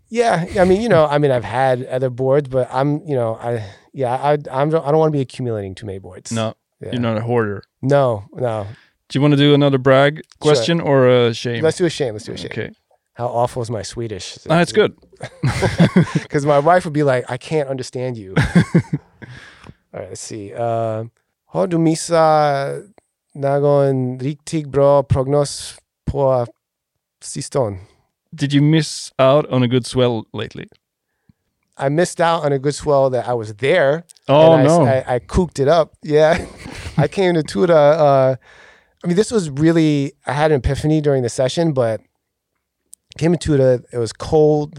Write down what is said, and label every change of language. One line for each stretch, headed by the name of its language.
English: Yeah, I mean, you know, I mean, I've had other boards, but I'm, you know, I don't want to be accumulating too many boards. No, yeah. You're not a hoarder. No, no. Do you want to do another brag question or a shame? Let's do a shame. Okay. How awful is my Swedish? That's good. Because my wife would be like, I can't understand you. All right, let's see.
Swedish: Har du missat någon riktigt bra prognos på sistone?
English: Did you miss out on a good swell lately? I missed out on a good swell that I was there. Oh, and I cooked it up. Yeah. I came to Tuta. I mean, this was really, I had an epiphany during the session, but came to Tuta. It was cold.